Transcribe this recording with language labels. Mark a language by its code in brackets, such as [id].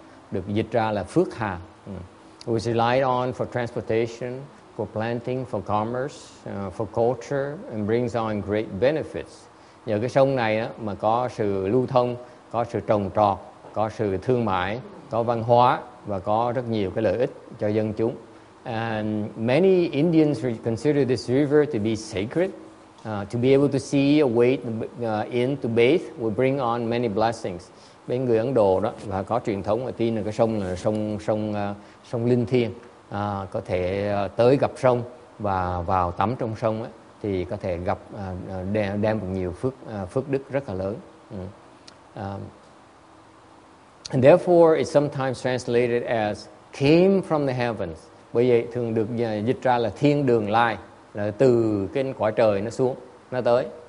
[vi] được dịch ra là Phước Hà [en] was relied on for transportation for planting for commerce for culture and brings on great benefits [vi] nhờ cái sông này á, mà có sự lưu thông có sự trồng trọt có sự thương mại có văn hóa và có rất nhiều cái lợi ích cho dân chúng. [en] And many Indians consider this river to be sacred. To be able to see a wade in to bathe will bring on many blessings. [vi] Bên người Ấn Độ đó là có truyền thống và tin là cái sông là sông linh thiêng. Có thể tới gặp sông và vào tắm trong sông ấy, thì có thể gặp đem được nhiều phước đức rất là lớn. [en] And therefore, it's sometimes translated as came from the heavens. [vi] Bởi vậy, thường được dịch ra là thiên đường lai, là từ cái cõi trời nó xuống, nó tới.